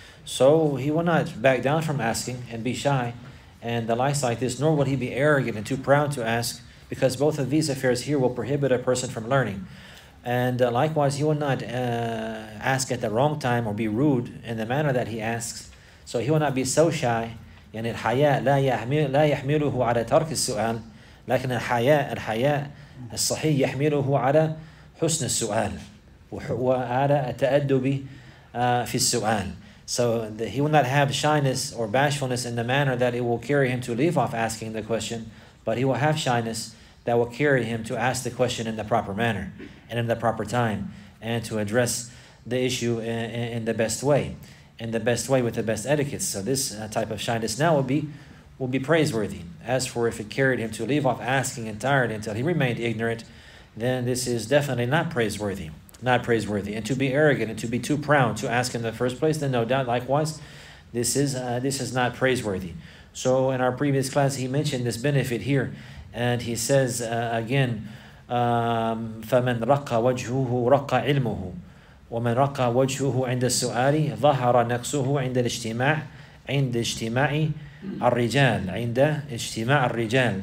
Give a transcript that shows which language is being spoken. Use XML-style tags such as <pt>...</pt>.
<en>So he will not back down from asking and be shy and the likes like this, nor will he be arrogant and too proud to ask, because both of these affairs here will prohibit a person from learning. And likewise, he will not ask at the wrong time or be rude in the manner that he asks. So he will not be so shy.</en> <ar>يعني الحياء لا يحمله على ترك السؤال لكن الحياء الحياء الصحي يحمله على حسن السؤال وهو على التأدب في السؤال.</ar> <en>So he will not have shyness or bashfulness in the manner that it will carry him to leave off asking the question, but he will have shyness that will carry him to ask the question in the proper manner and in the proper time, and to address the issue in the best way, in the best way, with the best etiquette. So this type of shyness now will be praiseworthy. As for if it carried him to leave off asking entirely until he remained ignorant, then this is definitely not praiseworthy. And to be arrogant and to be too proud to ask in the first place, then no doubt likewise this is not praiseworthy. So in our previous class he mentioned this benefit here, and he says again,</en> <ar>فَمَنْ رَقَّ وَجْهُهُ رَقَّ عِلْمُهُ وَمَنْ رَقَّ وَجْهُهُ عِنْدَ السُّؤَالِ ظَهَرَ نَقْصُهُ عِنْدَ الْاجْتِمَاعِ عِنْدَ اجْتِمَاعِ الرِّجَالِ عِنْدَ اجْتِمَاعِ الرِّجَالِ.</ar>